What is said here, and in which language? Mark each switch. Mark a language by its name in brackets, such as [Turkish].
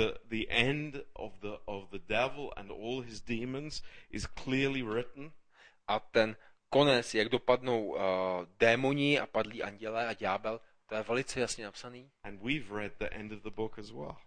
[English] The end of the devil and all his demons is clearly written. [Czech] A ten konec, jak dopadnou démoni a padlí andělé a ďábel, to je velice jasně napsaný. [English] And we've read the end of the book as well.